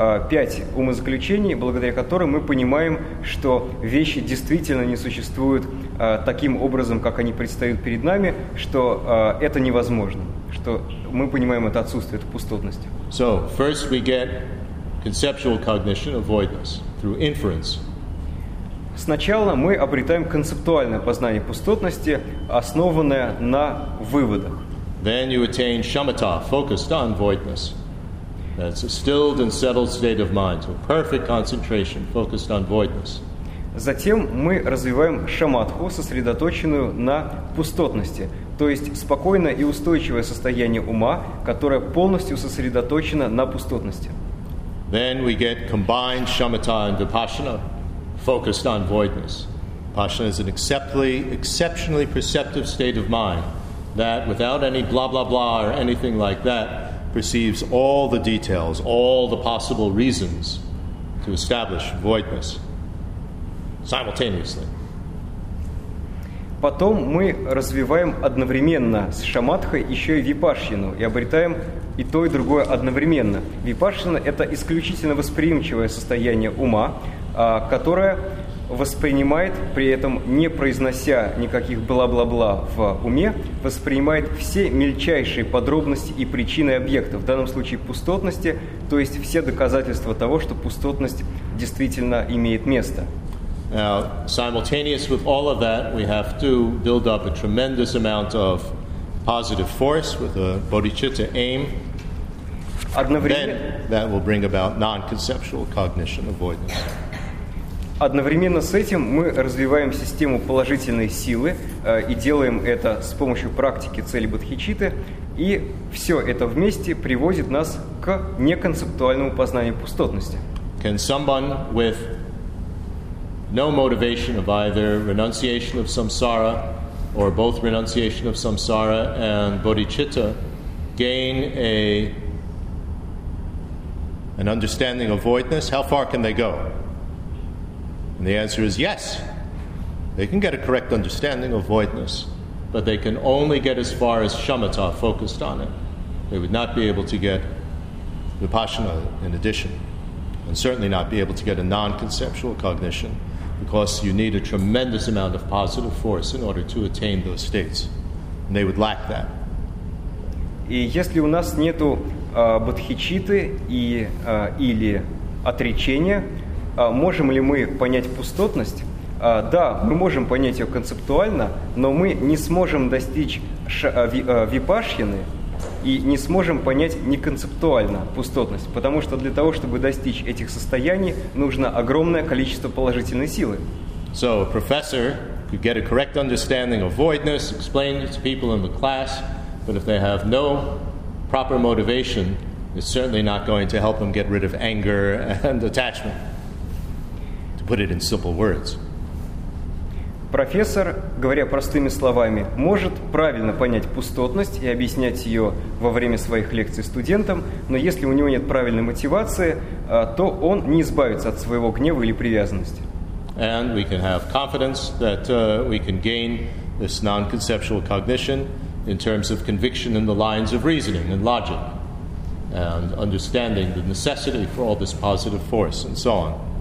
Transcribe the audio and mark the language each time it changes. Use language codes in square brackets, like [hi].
[ru] пять умозаключений, благодаря которым мы понимаем, что вещи действительно не существуют таким образом, как они предстают перед нами, что это невозможно, что мы понимаем это отсутствие, эту пустотность. [en] So, first we get conceptual cognition, avoidance, through inference. [ru] Сначала мы обретаем концептуальное познание пустотности, основанное на выводах. [en] Then you attain shamatha, focused on voidness. That's a stilled and settled state of mind, so perfect concentration, focused on voidness. [ru] Затем мы развиваем шаматху, сосредоточенную на пустотности, то есть спокойное и устойчивое состояние ума, которое полностью сосредоточено на пустотности. [en] Then we get combined shamatha and vipassana, focused on voidness. Vipassana is an exceptionally perceptive state of mind that, without any blah blah blah or anything like that, perceives all the details, all the possible reasons to establish voidness simultaneously. [ru] Потом мы развиваем одновременно с шаматхой еще и випашьяну и обретаем и то, и другое одновременно. Випашьяна – это исключительно восприимчивое состояние ума, которое воспринимает, при этом не произнося никаких бла-бла-бла в уме, воспринимает все мельчайшие подробности и причины объекта, в данном случае пустотности, то есть все доказательства того, что пустотность действительно имеет место. [en] Now, simultaneous with all of that, we have to build up a tremendous amount of positive force with a bodhicitta aim. [ru] Одновременно... [en] Then that will bring about non-conceptual cognition avoidance. [ru] Одновременно с этим мы развиваем систему положительной силы и делаем это с помощью практики цели бодхичитты, и все это вместе приводит нас к неконцептуальному познанию пустотности. [en] Can someone with no motivation of either renunciation of samsara or both renunciation of samsara and bodhicitta gain an understanding of voidness? How far can they go? And the answer is yes. They can get a correct understanding of voidness, but they can only get as far as shamatha, focused on it. They would not be able to get vipassana in addition, and certainly not be able to get a non-conceptual cognition, because you need a tremendous amount of positive force in order to attain those states. And they would lack that. [ru] И если у нас нету бодхичитты и или отречения, можем ли мы понять пустотность? Да, мы можем понять ее концептуально, но мы не сможем достичь випашьяны и не сможем понять неконцептуально пустотность, потому что для того, чтобы достичь этих состояний, нужно огромное количество положительной силы. [en] So, a professor could get a correct understanding of voidness, explain it to people in the class, but if they have no proper motivation, it's certainly not going to help them get rid of anger and attachment. Put it in simple words. [ru] Профессор, говоря простыми словами, может правильно понять пустотность и объяснять ее во время своих лекций студентам, но если у него нет правильной мотивации, то он не избавится от своего гнева или привязанности. [en] And we can have confidence that we can gain this non-conceptual cognition in terms of conviction in the lines of reasoning and logic, and understanding the necessity for all this positive force and so on.